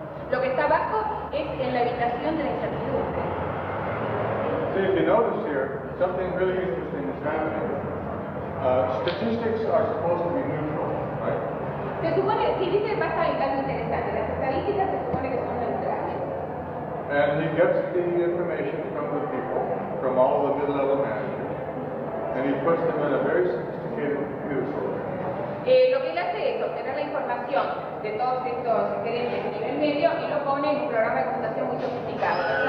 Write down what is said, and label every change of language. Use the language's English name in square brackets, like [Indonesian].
[Spanish] Lo que está bajo es en la habitación de la incertidumbre. [English] So if you notice here, something really interesting is happening. Statistics are supposed to be neutral, right? [Spanish] Se supone, si dice que pasa algo interesante, las estadísticas se supone que son neutrales. [English] And he gets the information from the people, from all the mid-level managers, and he puts them in a very sophisticated computer. [Spanish] Lo que él hace es obtener la información de todos estos gerentes de nivel medio y lo pone en un programa de computación muy sofisticado.